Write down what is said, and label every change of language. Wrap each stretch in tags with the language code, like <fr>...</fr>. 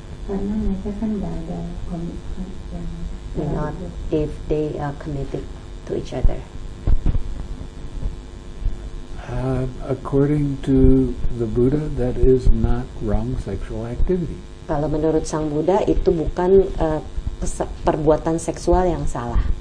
<id>Karena mereka kan tidak ada komitmen yang.</id> <en>Not if they are committed to each other. According to the Buddha, that is not wrong sexual activity.</en> <id>Kalau menurut Sang Buddha, itu bukan perbuatan seksual yang salah.</id>